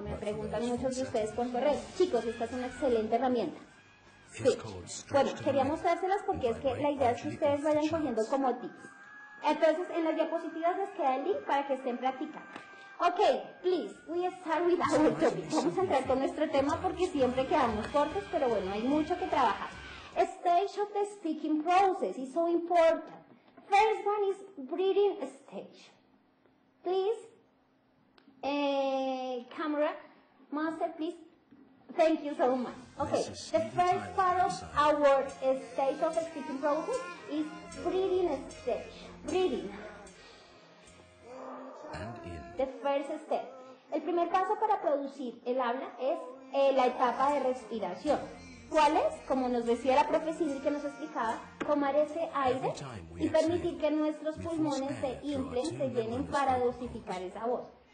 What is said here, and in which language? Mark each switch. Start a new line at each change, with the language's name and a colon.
Spanish: Me preguntan muchos de ustedes por correo. Chicos, esta es una excelente herramienta. Speech. Bueno, quería mostrárselas porque es que la idea es que ustedes vayan cogiendo como tips. Entonces, en las diapositivas les queda el link para que estén practicando.
English: Ok, please, we start with our topic.
Spanish: Vamos a entrar con nuestro tema porque siempre quedamos cortos, pero bueno, hay mucho que trabajar.
English: Stage of the speaking process is so important. First one is breathing stage. Please, camera, master, please. Thank you so much. Okay, the first part of our stage of the speaking process is breathing stage. Breathing. And in. The first step.
Spanish: El primer paso para producir el habla es la etapa de respiración. ¿Cuál es? Como nos decía la profe Cindy que nos explicaba, tomar ese aire y permitir que nuestros pulmones se inflen, se llenen para dosificar esa voz.